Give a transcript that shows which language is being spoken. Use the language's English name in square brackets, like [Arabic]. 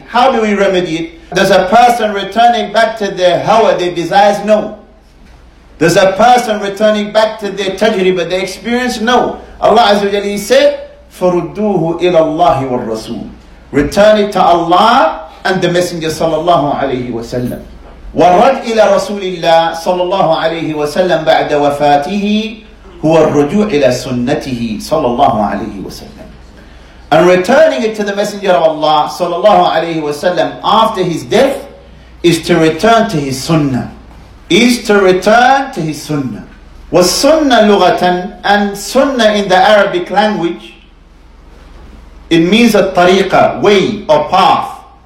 [English] How do we remedy it? Does a person returning back to their hawa, their desires? No. Does a person returning back to their tajriba, their experience? No. Allah Azza wa Jal, He said, [Arabic] فَرُدُّوهُ إِلَى اللَّهِ وَالرَّسُولِ, [English] return it to Allah and the Messenger sallallahu alayhi wa sallam. [Arabic] والرد إلى رسول الله صلى الله عليه وسلم بعد وفاته هو الرجوع إلى سنته صلى الله عليه وسلم. [English] And returning it to the Messenger of Allah صلى الله عليه وسلم after his death is to return to his sunnah. Is to return to his sunnah. [Arabic] والسنة لغة [English] and sunnah in the Arabic language it means a طريقة, way or path.